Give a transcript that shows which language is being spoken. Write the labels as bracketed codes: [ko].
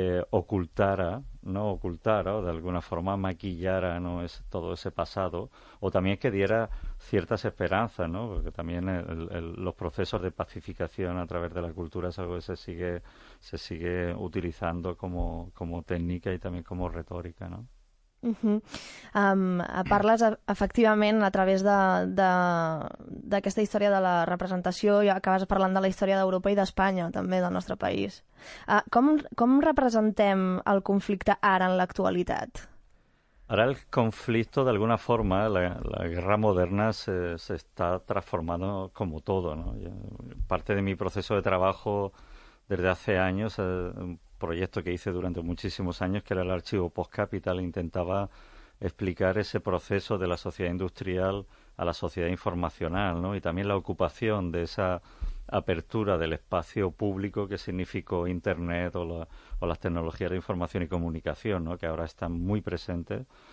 [es] ocultara o de alguna forma maquillara, ¿no?, todo ese pasado, o también que diera ciertas esperanzas, ¿no?, porque también los procesos de pacificación a través de la cultura es algo que se sigue utilizando como técnica y también como retórica, ¿no? [ca] Parles efectivament a través d'aquesta història de la representació i acabes parlant de la història d'Europa i d'Espanya també, del nostre país. Com representem el conflicte ara en l'actualitat? Ara el conflicte, [es] d'alguna forma, la guerra moderna se está transformando como todo, ¿no? Parte de mi proceso de trabajo desde hace años, proyecto que hice durante muchísimos años, que era el archivo Postcapital, intentaba explicar ese proceso de la sociedad industrial a la sociedad informacional, ¿no? Y también la ocupación de esa apertura del espacio público que significó Internet o las tecnologías de información y comunicación, ¿no?, que ahora están muy presentes.